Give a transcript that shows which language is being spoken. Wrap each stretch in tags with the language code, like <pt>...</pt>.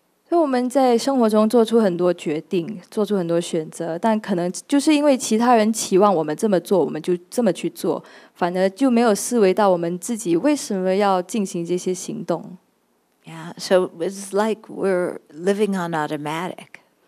<zh>所因为我们在生活中做出很多决定，做出很多选择，但可能就是因为其他人期望我们这么做，我们就这么去做，反而就没有思维到我们自己为什么要进行这些行动。</zh> <en>Yeah, so it's like we're living on automatic.</en>